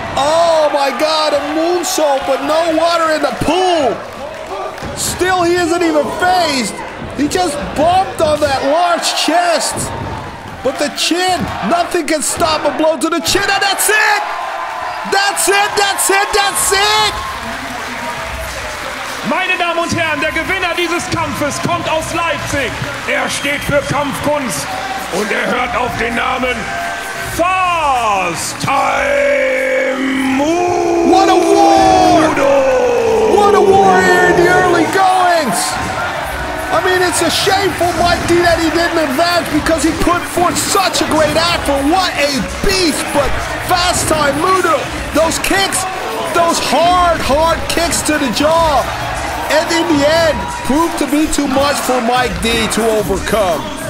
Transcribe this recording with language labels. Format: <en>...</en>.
<en>oh my God, a moonsault, but no water in the pool. Still, he isn't even phased. He just bumped on that large chest. But the chin, nothing can stop a blow to the chin, and that's it! That's it, that's it, that's it!</en> <de>Meine Damen und Herren, der Gewinner dieses Kampfes kommt aus Leipzig. Steht für Kampfkunst, und hört auf den Namen Fast Time!</de> <en>What a war! What a war here in the early goings! I mean, it's a shameful Mike D that he didn't advance, because he put forth such a great effort. What a beast! But Fast Time Moodo, those kicks, those hard, hard kicks to the jaw, and in the end, proved to be too much for Mike D to overcome.</en>